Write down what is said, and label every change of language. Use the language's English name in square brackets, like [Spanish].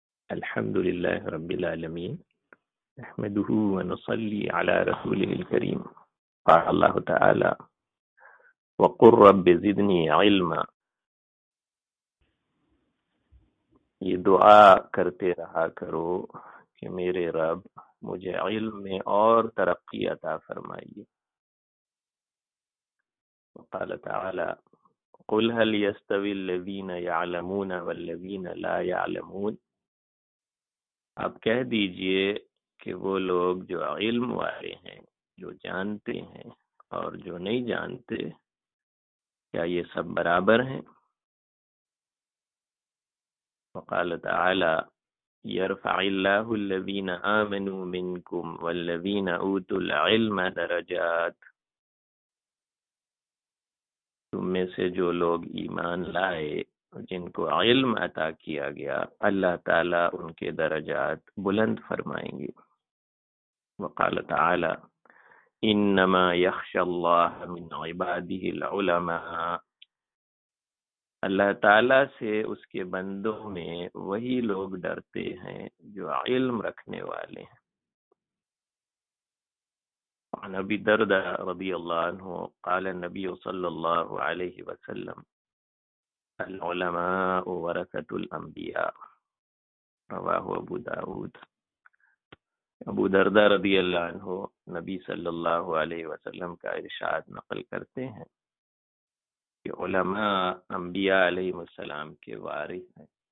[Arabic] الحمد لله رب العالمين، نحمده ونصلي على رسوله الكريم. قال الله تعالى: وقل رب زدني علما. [Urdu] یہ دعا کرتے رہا کرو کہ میرے رب مجھے علم میں اور ترقی عطا فرمائیے. [Arabic] وقال تعالی: قل هل يستوي الذين يعلمون والذين لا يعلمون. [Urdu] آپ کہہ دیجئے کہ وہ لوگ جو علم والے ہیں، جو جانتے ہیں، اور جو نہیں جانتے، کیا یہ سب برابر ہیں؟ [Arabic] وقال تعالی: يرفع الله الذين آمنوا منكم والذين أوتوا العلم درجات. [Urdu] تم میں سے جو لوگ ایمان لائے، جن کو علم عطا کیا گیا، اللہ تعالیٰ ان کے درجات بلند فرمائیں گے. [Arabic] وقال تعالی: انما یخش اللہ من عباده العلماء. [Urdu] اللہ تعالیٰ سے اس کے بندوں میں وہی لوگ ڈرتے ہیں جو علم رکھنے والے ہیں. [Arabic] عن ابي الدرداء رضي الله عنه قال النبي صلى الله عليه وسلم: العلماء ورثة الانبياء. رواه ابو داود. [Urdu] ابو الدرداء رضي الله عنه نبي صلى الله عليه وسلم کا ارشاد نقل کرتے ہیں کہ علماء انبیاء علیہ السلام کے وارث ہیں.